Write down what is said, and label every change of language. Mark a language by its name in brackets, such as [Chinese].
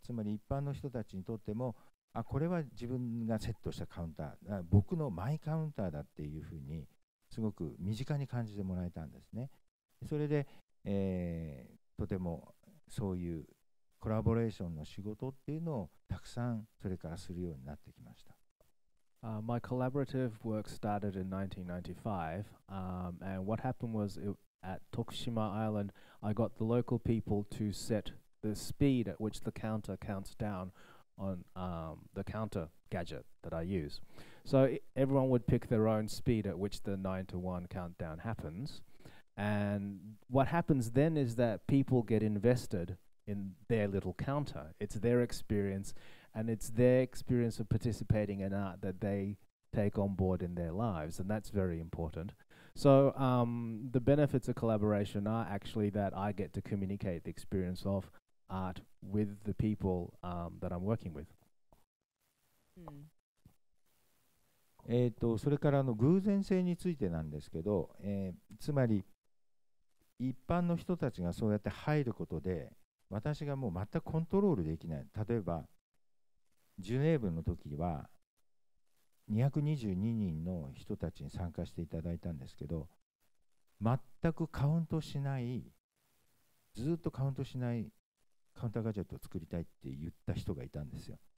[Japanese] つまり一般の人たちにとっても、あ、これは自分がセットしたカウンター、僕のマイカウンターだっていうふうにすごく身近に感じてもらえたんですね。それで、とてもそういうコラボレーションの仕事っていうのをたくさんそれからするようになってきました。 [English] My collaborative work started in 1995, and what happened was at Tokushima Island, I got the local people to set the speed at which the counter counts down on the counter gadget that I use. So everyone would pick their own speed at which the 9-to-1 countdown happens. And what happens then is that people get invested in their little counter. It's their experience, and it's their experience of participating in art that they take on board in their lives. And that's very important. So the benefits of collaboration are actually that I get to communicate the experience of art with the people that I'm working with. Mm. [Japanese] それから偶然性についてなんですけど、つまり一般の人たちがそうやって入ることで、私がもう全くコントロールできない。例えばジュネーブの時は222人の人たちに参加していただいたんですけど、全くカウントしない、ずっとカウントしないカウンターガジェットを作りたいって言った人がいたんですよ。